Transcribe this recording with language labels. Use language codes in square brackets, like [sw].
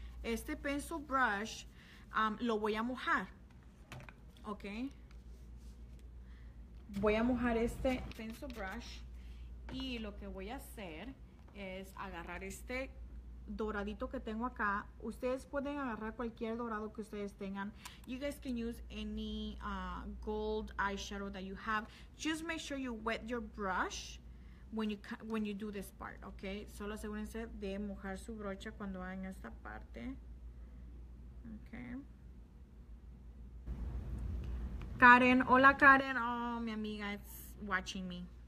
[es] Este pencil brush lo voy a mojar. Ok, voy a mojar este pencil brush y lo que voy a hacer es agarrar este doradito que tengo acá. Ustedes pueden agarrar cualquier dorado que ustedes tengan. [en] You guys can use any gold eyeshadow that you have. Just make sure you wet your brush when you do this part, ok? [es] Solo asegúrense de mojar su brocha cuando hagan esta parte, ok? [en] Karen, [es] hola [en] Karen, oh, [es] mi amiga [en] is watching me.